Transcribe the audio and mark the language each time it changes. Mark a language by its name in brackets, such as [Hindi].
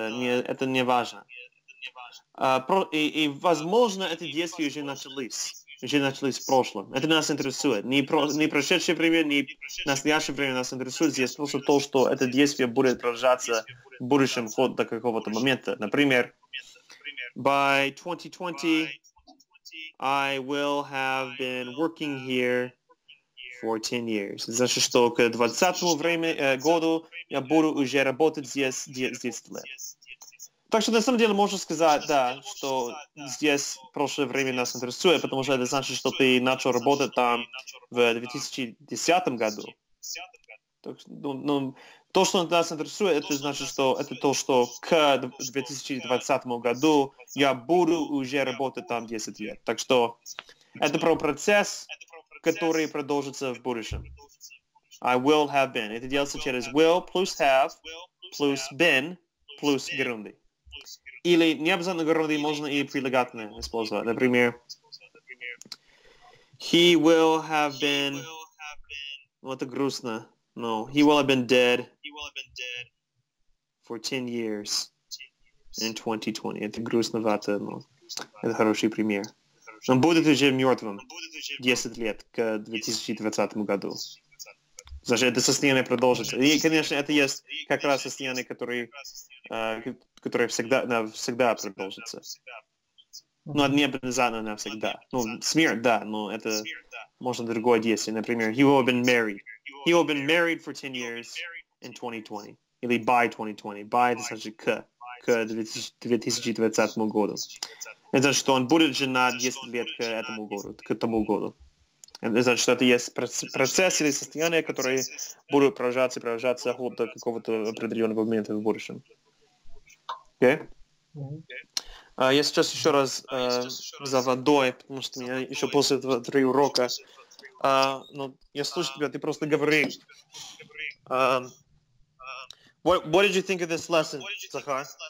[Russian] Это не важно. И возможно, эти действия уже начались. Уже начались в прошлом. Это нас интересует. Не прошедшее время, не настоящее время нас интересует. Здесь просто то, что это действие будет продолжаться в будущем ход до какого-то момента. [English] Например, by 2020, I will have been working here for 10 years. [Russian] Значит, что к 20-му году я буду уже работать здесь 10 лет. Так что на самом деле можно сказать, да, что здесь прошлое время нас интересует, потому что это значит, что ты начал работать там в 2010 году. Так, ну, то, что нас интересует, это значит, что это то, что к 2020 году я буду уже работать там 10 лет. Так что это про процесс, который продолжится в будущем. [English] I will have been. [Russian] Это делается через will plus have plus been plus grundy. Или не обязательно грунды, можно и прилагательное использовать. Например, [English] he will have been... [Russian] Ну, это грустно. [English] No, he will have been dead for 10 years in 2020. [Russian] Это грустновато, но это хороший пример. Он будет уже мертвым 10 лет к 2020 году. Значит, это состояние продолжится. И, конечно, это есть как раз состояние, которое всегда продолжится. Но не обязательно навсегда. Ну, смерть, да, но это можно другое действие. Например, [English] he will have been married for 10 years in 2020. [Russian] Или [English] by 2020. [Russian] By это значит к. К 2020 году. Это значит, что он будет женат 10 лет к этому году. К тому году. Это значит, что это есть процесс или состояние, которое будет продолжаться и продолжаться вот до какого-то определенного момента в будущем. Окей? Okay? Я сейчас еще раз за водой, потому что меня еще после этого три урока. Но я слушаю тебя, ты просто говори. [English] What did you think of this lesson, [Russian] Захар?